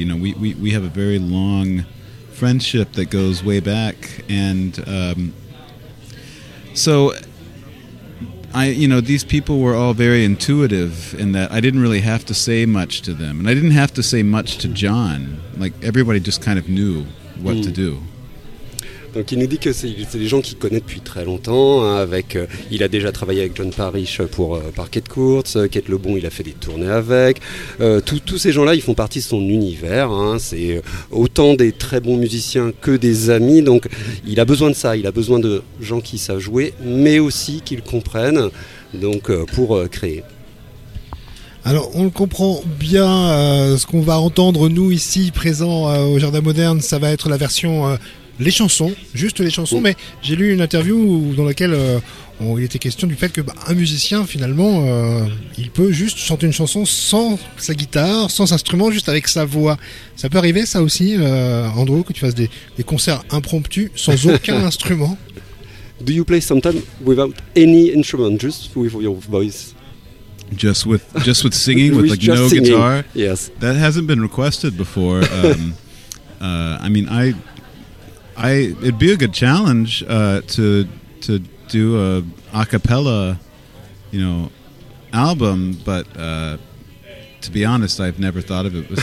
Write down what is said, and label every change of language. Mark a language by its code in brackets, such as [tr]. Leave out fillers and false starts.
[en] You know, we have a very long friendship that goes way back, and so, these people were all very intuitive in that I didn't really have to say much to them. And I didn't have to say much to John. Like, everybody just kind of knew what to do. [fr] Donc il nous dit que c'est des gens qu'il connaît depuis très longtemps, avec il a déjà travaillé avec John Parrish pour Parquet Courts, Kate Lebon il a fait des tournées avec, tous ces gens-là ils font partie de son univers, hein, c'est autant des très bons musiciens que des amis, donc il a besoin de ça, il a besoin de gens qui savent jouer mais aussi qu'ils comprennent, donc pour créer. Alors, on le comprend bien, ce qu'on va entendre nous ici présents au Jardin Moderne, ça va être la version les chansons, juste les chansons, mais j'ai lu une interview dans laquelle il était question du fait que un musicien, finalement, il peut juste chanter une chanson sans sa guitare, sans instrument, juste avec sa voix. Ça peut arriver, ça aussi, Andrew, que tu fasses des concerts impromptus sans aucun instrument? [en] Do you play sometimes without any instrument, just with your voice? Just with singing, with like no singing. Guitar? Yes. That hasn't been requested before. I it'd be a good challenge to do a acapella, you know, album, but to be honest, I've never thought of it.